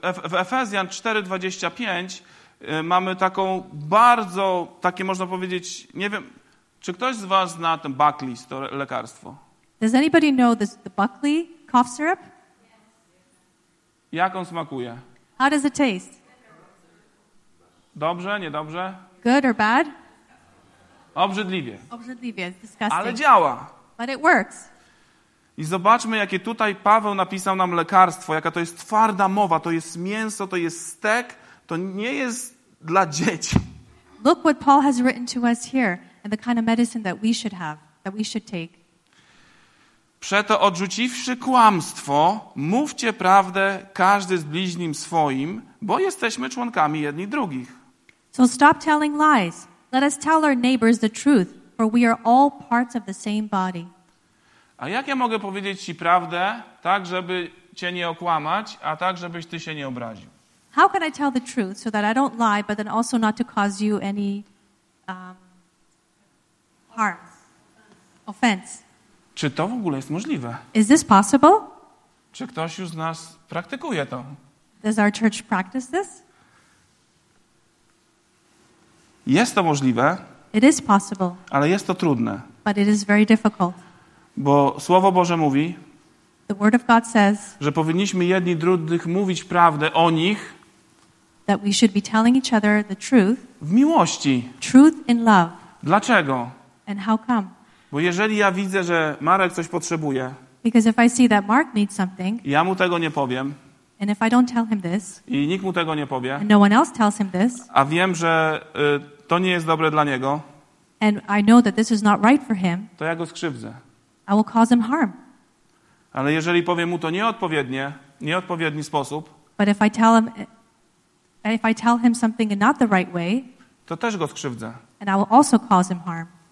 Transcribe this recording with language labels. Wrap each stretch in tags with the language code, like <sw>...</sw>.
<pl>W Efezjan 4:25 mamy taką bardzo, takie można powiedzieć, nie wiem, czy ktoś z was zna ten Buckley's, to lekarstwo?</pl> <en>Does anybody know this, the Buckley cough syrup?</en> <pl>Jak on smakuje?</pl> <en>How does it taste?</en> <pl>Dobrze, niedobrze?</pl> <en>Good or bad?</en> <pl>Obrzydliwie. Obrzydliwie,</pl> <en>disgusting.</en> <pl>Ale działa.</pl> <en>But it works.</en> <pl>I zobaczmy, jakie tutaj Paweł napisał nam lekarstwo, jaka to jest twarda mowa, to jest mięso, to jest stek, to nie jest dla dzieci.</pl> <en>Look what Paul has written to us here and the kind of medicine that we should have, that we should take.</en> <pl>Przeto odrzuciwszy kłamstwo, mówcie prawdę każdy z bliźnim swoim, bo jesteśmy członkami jedni drugich.</pl> <en>So stop telling lies. Let us tell our neighbors the truth, for we are all parts of the same body.</en> <pl>A jak ja mogę powiedzieć ci prawdę, tak żeby cię nie okłamać, a tak żebyś ty się nie obraził?</pl> <en>How can I tell the truth so that I don't lie, but then also not to cause you any harm, offense?</en> <pl>Czy to w ogóle jest możliwe?</pl> <en>Is this possible?</en> <pl>Czy ktoś już z nas praktykuje to?</pl> <en>Does our church practice this?</en> <pl>Jest to możliwe.</pl> <en>It is possible.</en> <pl>Ale jest to trudne.</pl> <en>But it is very difficult.</en> <pl>Bo Słowo Boże mówi,</pl> <en>the word of God says,</en> <pl>że powinniśmy jedni drugich mówić prawdę o nich,</pl> <en>that we should be telling each other the truth,</en> <pl>w miłości.</pl> <en>Truth in love.</en> <pl>Dlaczego?</pl> <en>And how come?</en> <pl>Bo jeżeli ja widzę, że Marek coś potrzebuje,</pl> <en>because if I see that Mark needs something,</en> <pl>ja mu tego nie powiem,</pl> <en>and if I don't tell him this,</en> <pl>i nikt mu tego nie powie,</pl> <en>and no one else tells him this,</en> <pl>a wiem, że to nie jest dobre dla niego,</pl> <en>and I know that this is not right for him,</en> <pl>to ja go skrzywdzę.</pl> <en>I will cause him harm.</en> <pl>Ale jeżeli powiem mu to nieodpowiednie, nieodpowiedni sposób,</pl> <en>but if I tell him something in not the right way,</en> <pl>to też go skrzywdzę.</pl> <en>And I will also cause him harm.</en>